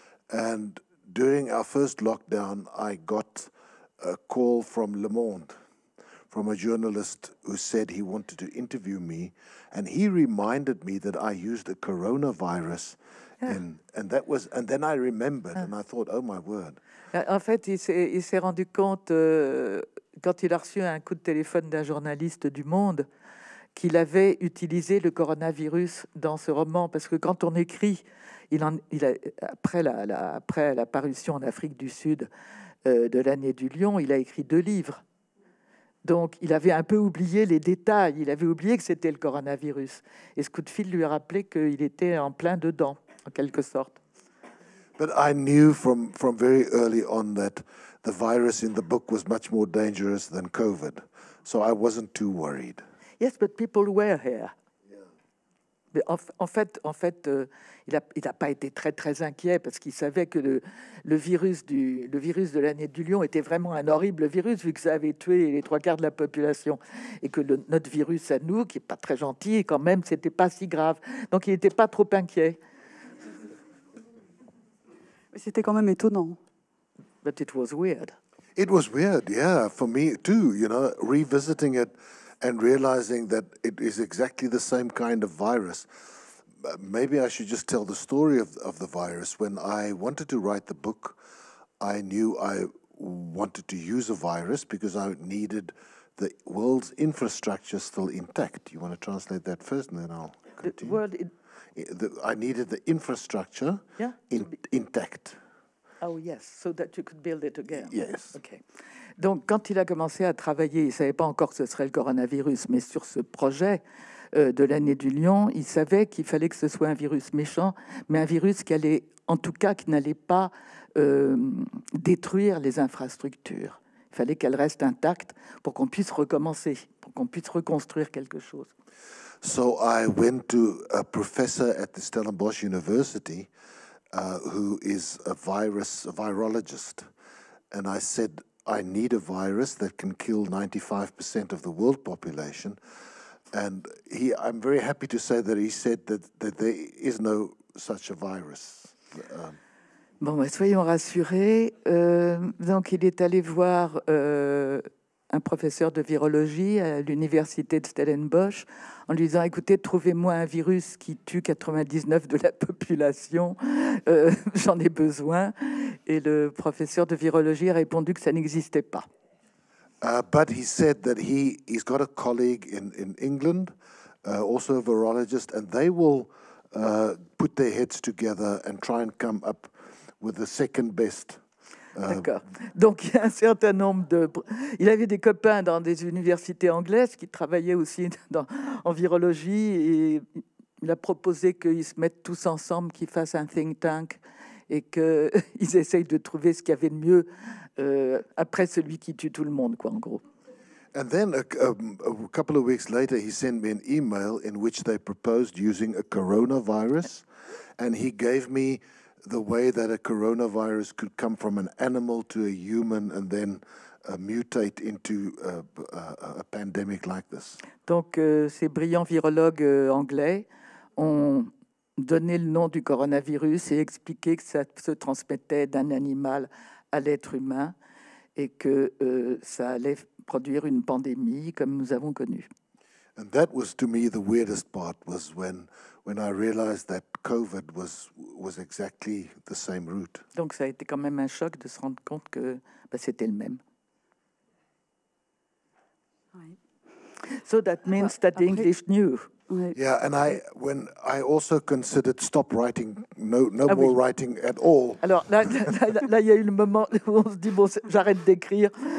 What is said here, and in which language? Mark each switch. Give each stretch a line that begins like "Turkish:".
English: And during our first lockdown, I got a call from Le Monde, from a journalist who said he wanted to interview me. And he reminded me that I used the coronavirus. Yeah. And that was, and then I remembered, and I thought, oh my word.
French: En fait, il s'est rendu compte quand il a reçu un coup de téléphone d'un journaliste du Monde qu'il avait utilisé le coronavirus dans ce roman, parce que quand on écrit, après la parution en Afrique du Sud de L'année du lion, il a écrit deux livres. Donc, il avait un peu oublié les détails. Il avait oublié que c'était le coronavirus. Et ce coup de fil lui a rappelé qu'il était en plein dedans. En quelque sorte.
English: But I knew from very early on that the virus in the book was much more dangerous than COVID, so I wasn't too worried. Yes, but people were here. Yeah.
French: Mais en fait, il a pas été très très inquiet parce qu'il savait que le virus de l'année du lion était vraiment un horrible virus vu que ça avait tué les trois quarts de la population et que notre virus à nous, qui est pas très gentil, quand même, c'était pas si grave. Donc il était pas trop inquiet. C'était quand même étonnant.
English: But it was weird. It was weird, yeah, for me too, you know, revisiting it and realizing that it is exactly the same kind of virus. Maybe I should just tell the story of the virus. When I wanted to write the book, I knew I wanted to use a virus because I needed the world's infrastructure still intact. You want to translate that first and then I'll continue? The world I needed the infrastructure intact. Oh yes, so that you could build it again. Yes. Okay.
French: Donc, quand il a commencé à travailler, il ne savait pas encore que ce serait le coronavirus, mais sur ce projet de l'année du lion, il savait qu'il fallait que ce soit un virus méchant, mais un virus qui allait, en tout cas, qui n'allait pas détruire les infrastructures. Il fallait qu'elles restent intactes pour qu'on puisse recommencer, pour qu'on puisse reconstruire quelque chose.
English: So I went to a professor at the Stellenbosch University who is a virologist. And I said, I need a virus that can kill 95% of the world population. And I'm very happy to say that he said that there is no such a virus.
French: Bon, mais soyons rassurés. Donc, il est allé voir un professeur de virologie à l'université de Stellenbosch en lui disant, écoutez, trouvez-moi un virus qui tue 99% de la population, j'en ai besoin. Et le professeur de virologie a répondu que ça n'existait pas.
English: But he said that he's got a colleague in England, also a virologist, and they will put their heads together and try and come up with the second best.
French: D'accord. Donc, il y a un certain nombre de... Il avait des copains dans des universités anglaises qui travaillaient aussi en virologie et il a proposé qu'ils se mettent tous ensemble, qu'ils fassent un think tank et qu'ils essayent de trouver ce qu'il y avait de mieux après celui qui tue tout le monde, quoi, en gros.
English: And then, a couple of weeks later, he sent me an email in which they proposed using a coronavirus and he gave me the way that a coronavirus could come from an animal to a human and then mutate into a pandemic like this.
French: Donc, ces brillants virologues anglais ont donné le nom du coronavirus et expliqué que ça se transmettait d'un animal à l'être humain et que ça allait produire une pandémie comme nous avons connu.
English: And that was, to me, the weirdest part was when I realized that COVID was exactly the same route.
French: Donc ça a été quand même un choc de se rendre compte que c'était le même.
English: Right. So that means that the English knew. Right. Yeah, and I also considered stop writing, no more writing at all.
French: Alors là il y a eu le moment où on se dit bon, j'arrête d'écrire.